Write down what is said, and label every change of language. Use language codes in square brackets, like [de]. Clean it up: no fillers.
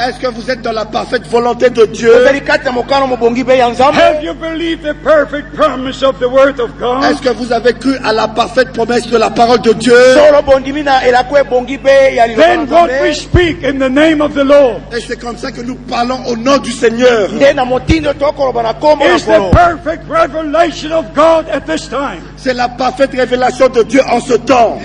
[fr] Est-ce que vous êtes dans la parfaite volonté de Dieu? [en] Have you believed the perfect promise of the word of God? [fr] Est-ce que vous avez cru à la parfaite promesse de la parole de Dieu? [en] Then what we speak in the name of the Lord. [fr] Et c'est comme ça que nous parlons au nom du Seigneur. [en] Is the perfect revelation of God at this time? [fr] C'est la parfaite révélation de Dieu en ce temps.